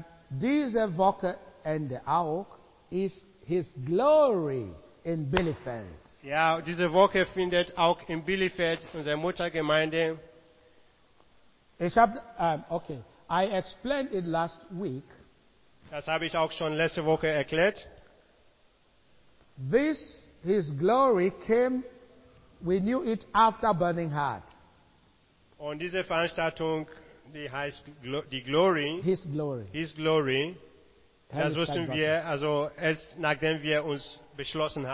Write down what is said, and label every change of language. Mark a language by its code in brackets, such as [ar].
[de] Diese Woche Ende auch ist His Glory in Bielefeld. Ja, diese Woche findet auch in Bielefeld unsere Muttergemeinde. Ich habe, [en] I explained it last week. [de] Das habe ich auch schon letzte Woche erklärt. [en] This His Glory came, we knew it after Burning Heart. [de] Und diese Veranstaltung, die heißt die Glory. [en] His Glory. [de] His Glory. Das wussten wir, also erst nachdem wir uns beschlossen haben.